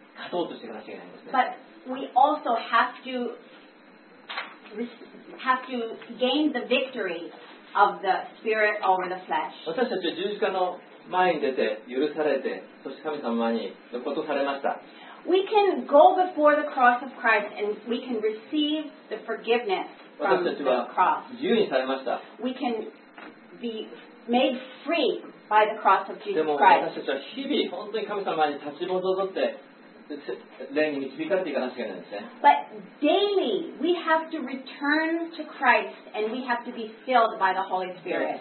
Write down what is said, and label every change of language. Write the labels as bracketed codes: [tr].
[en] But we also have to gain the victory of the Spirit over the flesh. [ja] 私たちは十字架の前に出て許されて、そして神様の前に呼ぶことされました。 [en] We can go before the cross of Christ and we can receive the forgiveness from the cross. We can be made free by the cross of Jesus Christ. [ja] でも私たちは日々本当に神様に立ち戻って霊に導かれていかなきゃいけないんですね。 [en] But daily we have to return to Christ and we have to be filled by the Holy Spirit.